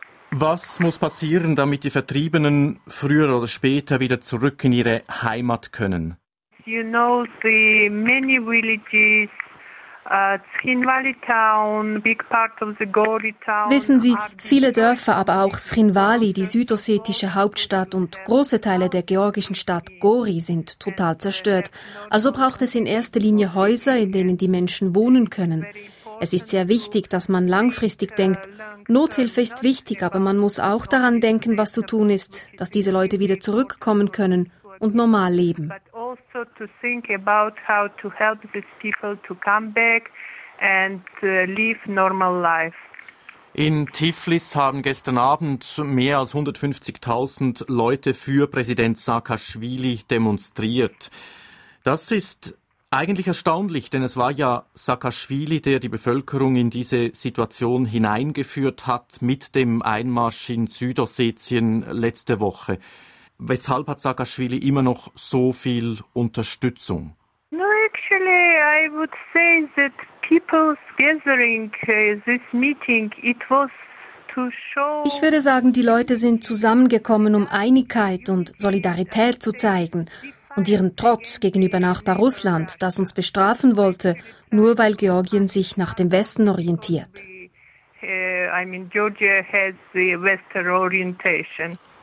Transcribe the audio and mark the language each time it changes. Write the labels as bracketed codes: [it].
[de] Was muss passieren, damit die Vertriebenen früher oder später wieder zurück in ihre Heimat können? [en] You know, the many villages, Srinvali town, big part of the Gori town. [de] Wissen Sie, viele Dörfer, aber auch Srinvali, die südossetische Hauptstadt und große Teile der georgischen Stadt Gori sind total zerstört. Also braucht es in erster Linie Häuser, in denen die Menschen wohnen können. Es ist sehr wichtig, dass man langfristig denkt. Nothilfe ist wichtig, aber man muss auch daran denken, was zu tun ist, dass diese Leute wieder zurückkommen können und normal leben. [en] Also to think about how to help these people to come back and live normal life. [de] In Tiflis haben gestern Abend mehr als 150.000 Leute für Präsident Saakashvili demonstriert. Das ist eigentlich erstaunlich, denn es war ja Saakashvili, der die Bevölkerung in diese Situation hineingeführt hat mit dem Einmarsch in Südossetien letzte Woche. Weshalb hat Saakashvili immer noch so viel Unterstützung? [en] No, actually, I would say that people's gathering, this meeting, it was to show. [de] Ich würde sagen, die Leute sind zusammengekommen, um Einigkeit und Solidarität zu zeigen und ihren Trotz gegenüber Nachbar Russland, das uns bestrafen wollte, nur weil Georgien sich nach dem Westen orientiert. [en] Georgia has the Western orientation.